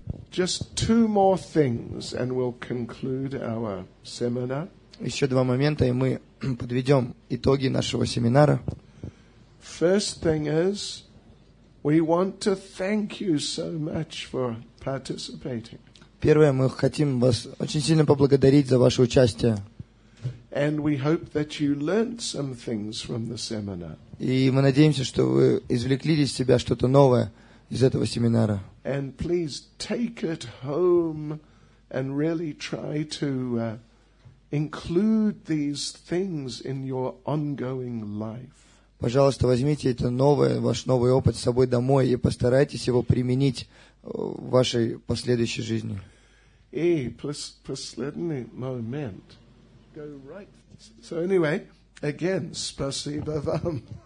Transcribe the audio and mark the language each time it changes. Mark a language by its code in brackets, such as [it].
[en] Just 2 more things and we'll conclude our seminar. [ru] Еще два момента, и мы подведем итоги нашего семинара. [en] First thing is, we want to thank you so much for participating. [ru] Первое, мы хотим вас очень сильно поблагодарить за ваше участие. [en] And we hope that you learned some things from the seminar. [ru] И мы надеемся, что вы извлекли из себя что-то новое из этого семинара. [en] And please take it home and really try to include these things in your ongoing life. [ru] Пожалуйста, возьмите это новое, ваш новый опыт с собой домой и постарайтесь его применить в вашей последующей жизни. И последний момент. [en] Go right. So anyway, again, [ru] спасибо вам.